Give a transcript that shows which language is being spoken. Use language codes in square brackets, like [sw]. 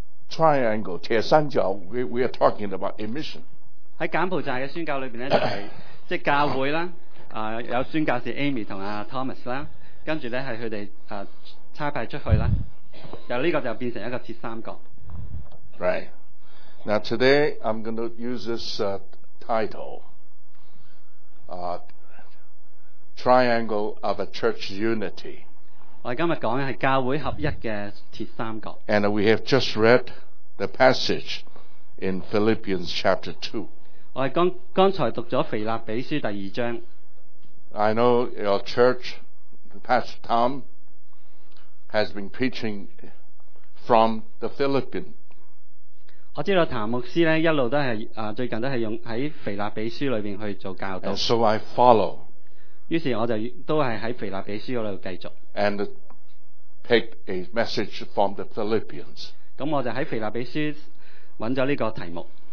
[en] Triangle, 铁三角 we are talking about a mission. [zh] 在柬埔寨的宣教里面就是即教会啦有宣教士 Amy 和 Thomas, 啦跟着是他们差派出去啦由这个就变成一个铁三角。 [en] Right. Now today I'm going to use this title, Triangle of a Church Unity. [zh] 我今天讲的是教会合一的铁三角。 [en] And we have just read the passage in Philippians chapter 2. [zh] 我刚才读了腓立比书第二章。 [en] I know your church, Pastor Tom, has been preaching from the Philippines. [zh] 我知道谭牧师呢一路都是最近都是用在腓立比书里面去做教导。 [en] And so I follow. [zh] 於是我就都是在腓立比書那裡繼續 [en] And take a message from the Philippians [zh] 那我就在腓立比書找了這個題目